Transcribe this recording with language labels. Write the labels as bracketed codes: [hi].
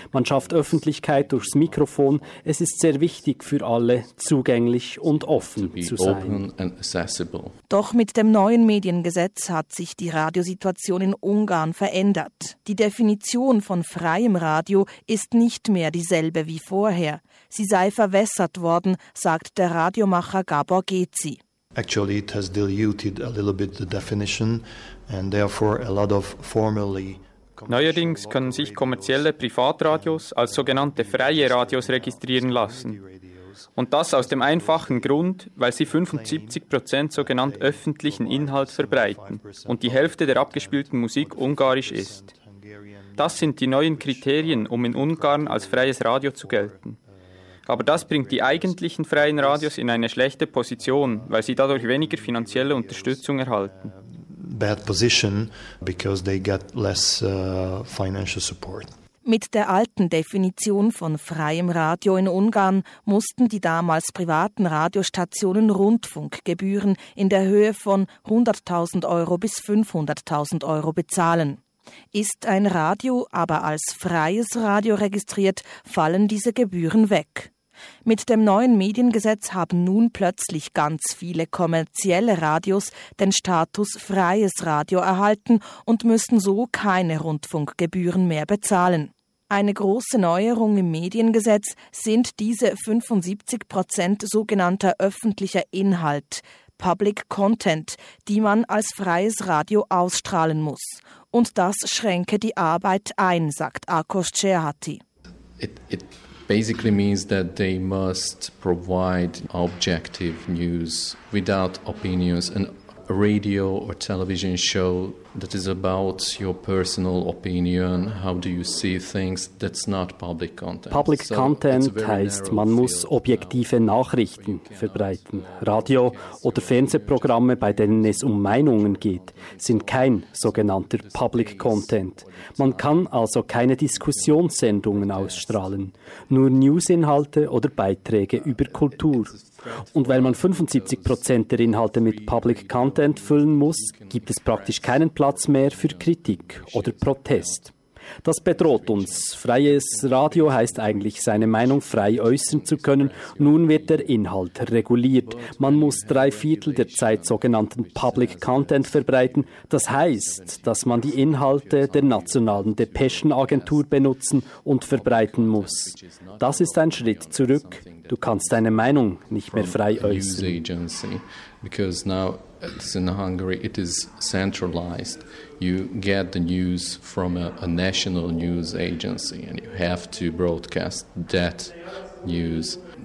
[de] Man schafft Öffentlichkeit durchs Mikrofon. Es ist sehr wichtig für alle, zugänglich und offen zu sein. Doch mit dem neuen Mediengesetz hat sich die Radiosituation in Ungarn verändert. Die Definition von freiem Radio ist nicht mehr dieselbe wie vorher. Sie sei verwässert worden, sagt der Radiomacher Gábor Géczi. [en] Actually, it has diluted a little bit the definition and therefore a lot of formerly. [de] Neuerdings können sich kommerzielle Privatradios als sogenannte freie Radios registrieren lassen. Und das aus dem einfachen Grund, weil sie 75% sogenannt öffentlichen Inhalt verbreiten und die Hälfte der abgespielten Musik ungarisch ist. Das sind die neuen Kriterien, um in Ungarn als freies Radio zu gelten. Aber das bringt die eigentlichen freien Radios in eine schlechte Position, weil sie dadurch weniger finanzielle Unterstützung erhalten. [en] Bad position because they get less financial support. [de] Mit der alten Definition von freiem Radio in Ungarn mussten die damals privaten Radiostationen Rundfunkgebühren in der Höhe von 100.000 Euro bis 500.000 Euro bezahlen. Ist ein Radio aber als freies Radio registriert, fallen diese Gebühren weg. Mit dem neuen Mediengesetz haben nun plötzlich ganz viele kommerzielle Radios den Status freies Radio erhalten und müssen so keine Rundfunkgebühren mehr bezahlen. Eine große Neuerung im Mediengesetz sind diese 75% sogenannter öffentlicher Inhalt, Public Content, die man als freies Radio ausstrahlen muss. Und das schränke die Arbeit ein, sagt Ákos Cserháti. [en] It basically means that they must provide objective news without opinions. And a radio or television show that is about your personal opinion, how do you see things, that's not public content. [de] Public content heißt, man muss objektive Nachrichten verbreiten. Radio- oder Fernsehprogramme, bei denen es um Meinungen geht, sind kein sogenannter Public Content. Man kann also keine Diskussionssendungen ausstrahlen, nur Newsinhalte oder Beiträge über Kultur. Und weil man 75% der Inhalte mit Public Content füllen muss, gibt es praktisch keinen Platz mehr für Kritik oder Protest. Das bedroht uns. Freies Radio heißt eigentlich, seine Meinung frei äußern zu können. Nun wird der Inhalt reguliert. Man muss 3/4 der Zeit sogenannten Public Content verbreiten. Das heißt, dass man die Inhalte der nationalen Depeschenagentur benutzen und verbreiten muss. Das ist ein Schritt zurück. Du kannst deine Meinung nicht mehr frei äußern. [en] Because now it's in Hungary, it is centralized. You get the news from a national news agency and you have to broadcast that news.